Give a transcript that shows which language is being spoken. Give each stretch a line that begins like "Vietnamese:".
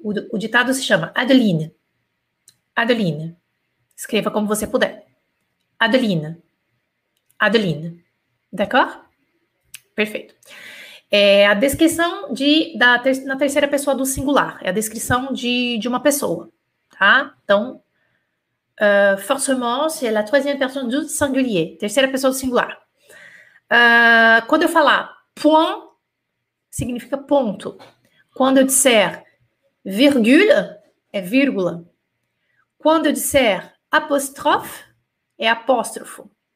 Portuguese: O ditado se chama Adeline. Adeline. Escreva como você puder. Adelina. Adelina. D'accord? Perfeito. É a descrição na terceira pessoa do singular. É a descrição de uma pessoa. Tá?
French: Então, forcément, c'est la troisième personne du singulier.
Portuguese: Terceira pessoa do singular. Quando eu falar point, significa ponto. Quando eu disser virgule, é vírgula. Quando eu disser apóstrofe é apóstrofo.